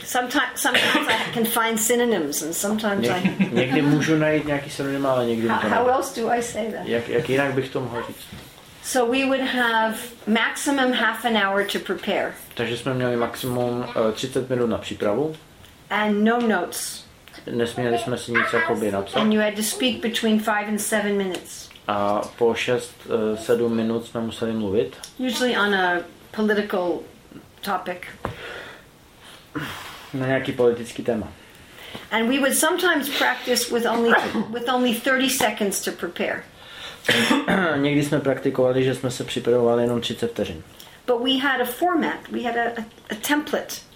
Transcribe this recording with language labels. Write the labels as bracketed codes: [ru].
[en] Sometimes I can find synonyms, and sometimes I. [cs] Někdy můžu najít nějaký synonym, ale někdy to. [en] How else do I say that? [cs] Jak jinak bych to mohl říct? [en] So we would have maximum half an hour to prepare. [cs] Takže jsme měli maximum 30 minut na přípravu. [en] And no notes. [cs] Nesměli jsme si nic jakoby napsat. [en] And you had to speak between 5 and 7 minutes. [cs] A po 6-7 minut jsme museli mluvit. [en] Usually on a political topic. [cs] Na nějaký politický téma. [en] And we would sometimes practice with only 30 seconds to prepare. [cs] Někdy jsme praktikovali, že jsme se připravovali jenom 30 vteřin. [en] But we had a format, we had a template.